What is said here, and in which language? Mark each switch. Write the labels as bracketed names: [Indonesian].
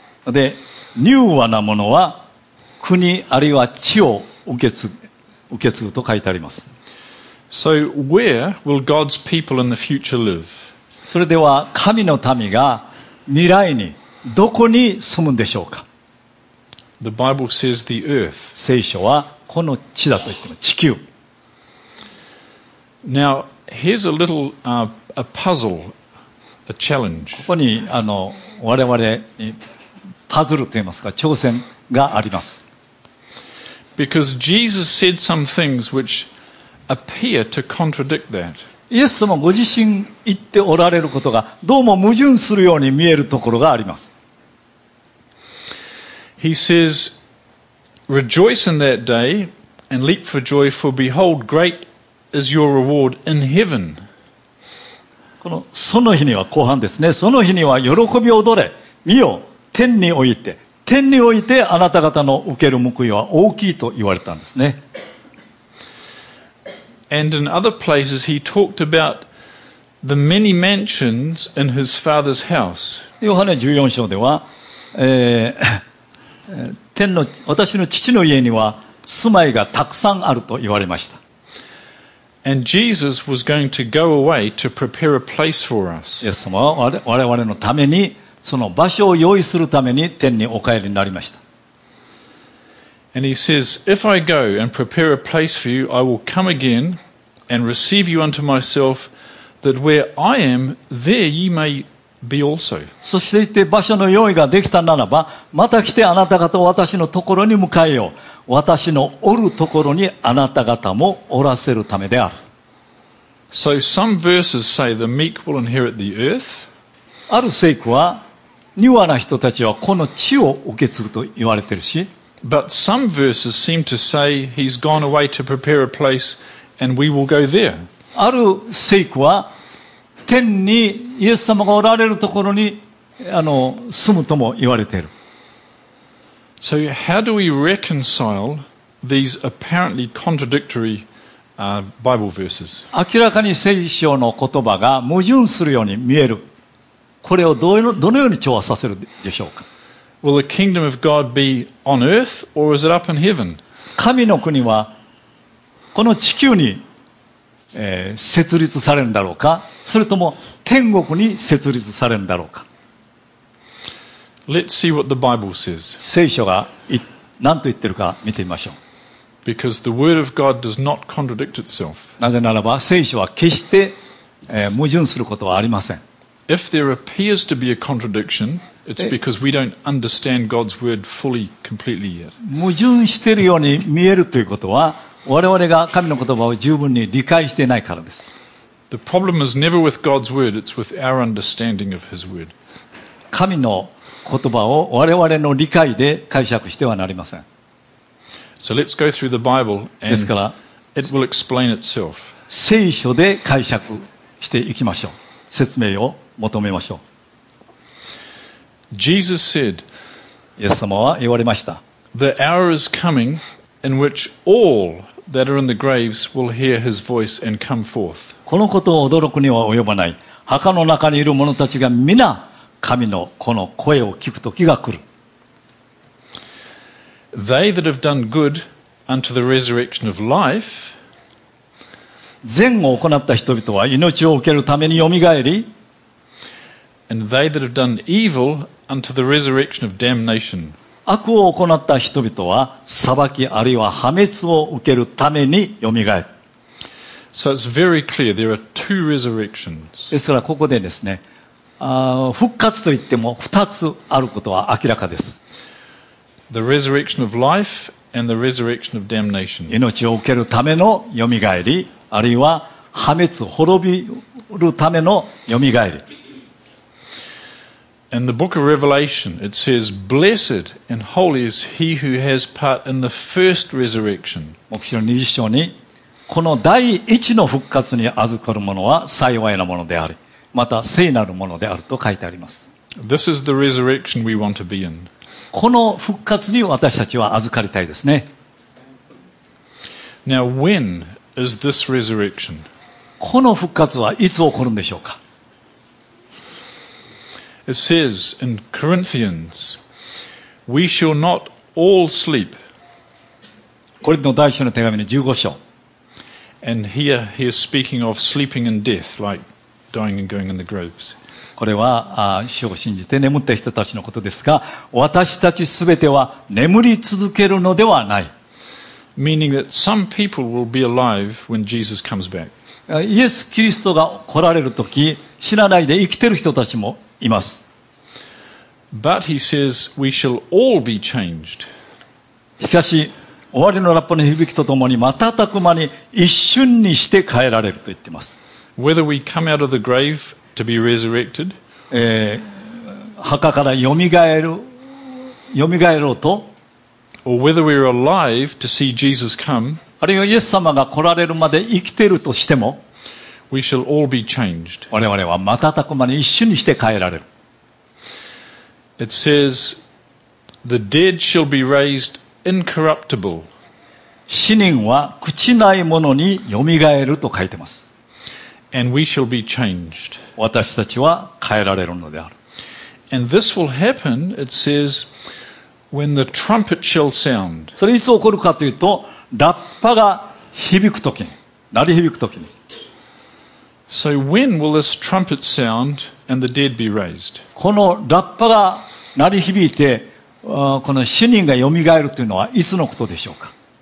[Japanese] で、柔和なものは国あるいは地を受け継ぐと書いてあります。 [English] So where will God's people in the future live? [Japanese] それでは神の民が未来にどこに住むんでしょうか。 [English] The Bible says the earth. [Japanese] 聖書はこの地だと言っています。地球。 [English] Now here's a little a puzzle. A challenge. [Japanese] ここに我々にパズルといいますか、挑戦があります。 [English] Because Jesus said some things which appear to contradict that. [Japanese] イエス様ご自身言っておられることがどうも矛盾するように見えるところがあります。 [English] He says, Rejoice in that day and leap for joy, for behold, great is your reward in heaven. [Japanese] このその日には後半ですね。その日には喜び踊れ、見よ、天において、天においてあなた方の受ける報いは大きいと言われたんですね。 [English] And in other places he talked about the many mansions in his father's house. [Japanese] ヨハネ14章では、天の私の父の家には住まいがたくさんあると言われました。 [English] And Jesus was going to go away to prepare a place for us. [Japanese] イエス様は我々のためにその場所を用意するために天にお帰りになりました。 [English] And he says, If I go and prepare a place for you, I will come again and receive you unto myself, that where I am, there ye may be also. [Japanese] そして言って場所の用意ができたならば、また来てあなた方を私のところに迎えよう。私のおるところにあなた方もおらせるためである。 [English] So some verses say the meek will inherit the earth. [Japanese] ある聖句は、ニュアな人たちはこの地を受け継ぐと言われているし、 [English] But some verses seem to say he's gone away to prepare a place and we will go there. [Japanese] ある聖句は天にイエス様がおられるところに住むとも言われている。 [English] So how do we reconcile these apparently contradictory, Bible verses? [Japanese] 明らかに聖書の言葉が矛盾するように見える。これをどのように調和させるでしょうか？ [English] Will the kingdom of God be on earth or is it up in heaven? [Japanese] 神の国はこの地球に設立されるんだろうか、それとも天国に設立されるんだろうか。 [English] Let's see what the Bible says. [Japanese] 聖書が何と言ってるか見てみましょう。 [English] Because the word of God does not contradict itself. [Japanese] なぜならば聖書は決して矛盾することはありません。 [English] If there appears to be a contradiction, it's because we don't understand God's word fully, completely yet. [Japanese] 矛盾しているように見えるということは、我々が神の言葉を十分に理解していないからです。 [English] The problem is never with God's word, it's with our understanding of His word. [Japanese] 神の言葉を我々の理解で解釈してはなりません。 [English] So let's go through the Bible and it will explain itself. [Japanese] 聖書で解釈していきましょう。説明を求めましょう。 [English] Jesus said, [Japanese] イエス様は言われました。 [English] The hour is coming in which all that are in the graves will hear his voice and come forth. [Japanese] このことを驚くには及ばない。墓の中にいる者たちが皆神のこの声を聞く時が来る。 [English] They that have done good unto the resurrection of life, [Japanese] 善を行った人々は命を受けるためによみがえり、 [English] And they that have done evil unto the resurrection of damnation. [Japanese] 悪を行った人々は裁きあるいは破滅を受けるためによみがえる。 [English] So it's very clear there are two resurrections. [Japanese] ですからここでですね、復活といっても二つあることは明らかです。 [English] The resurrection of life and the resurrection of damnation. [Japanese] 命を受けるためのよみがえり、あるいは破滅、滅びるためのよみがえり。 [English] In the book of Revelation, it says, "Blessed and holy is he who has part in the first resurrection." [Japanese] 目次の20章に、この第一の復活に預かる者は幸いなものであり、また聖なるものであると書いてあります。 [English] This is the resurrection we want to be in. [Japanese] この復活に私たちは預かりたいですね。 [English] Now, when is this resurrection? [Japanese] この復活はいつ起こるんでしょうか？ [English] It says in Corinthians, "We shall not all sleep." [Japanese] コリントの第一書の手紙の15章。 [English] And here he is speaking of sleeping and death, like dying and going in the graves. [Japanese] これは死を信じて眠った人たちのことですが、私たちすべては眠り続けるのではない。 [English] Meaning that some people will be alive when Jesus comes back. [Japanese] イエス・キリストが来られるとき、死なないで生きている人たちもいます。 [English] But he says we shall all be changed. [Japanese] しかし終わりのラッパの響きとともに瞬く間に一瞬にして変えられると言っています。 [English] Whether we come out of the grave to be resurrected, [Japanese] 墓からよみがえろうと、 [English] or whether we are alive to see Jesus come, [Japanese] あるいはイエス様が来られるまで生きているとしても。 [English] We shall all be changed. [Japanese] 我々は瞬く間に一瞬にして変えられる。 [English] It says, the dead shall be raised incorruptible. [Japanese] 死人は朽ちないものによみがえると書いてます。 [English] And we shall be changed. [Japanese] 私たちは変えられるのである。 [English] And this will happen, it says, when the trumpet shall sound. [Japanese] それいつ起こるかというと、ラッパが響くときに、鳴り響くときに。 [English] So when will this trumpet sound and the dead be raised? [Japanese] このラッパが鳴り響いて、この死人がよみがえるというのはいつのことでしょうか？